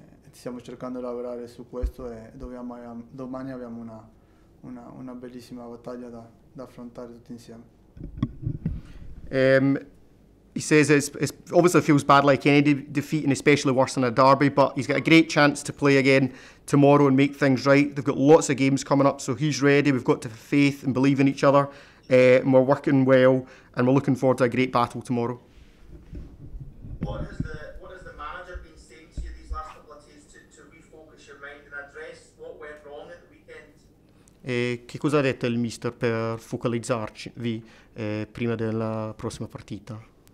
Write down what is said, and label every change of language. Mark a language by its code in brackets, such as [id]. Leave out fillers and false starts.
[it] Stiamo cercando di lavorare su questo e domani abbiamo una bellissima battaglia da affrontare tutti insieme. [en] He says it's obviously feels bad like any defeat, and especially worse than a derby, but he's got a great chance to play again tomorrow and make things right. They've got lots of games coming up, so he's ready. We've got to have faith and believe in each other, and we're working well, and we're looking forward to a great battle tomorrow. What has the manager been saying to you these last couple of days to refocus your mind and address what went wrong at the weekend? [it] Che cosa ha detto il mister per focalizzarci prima della prossima partita?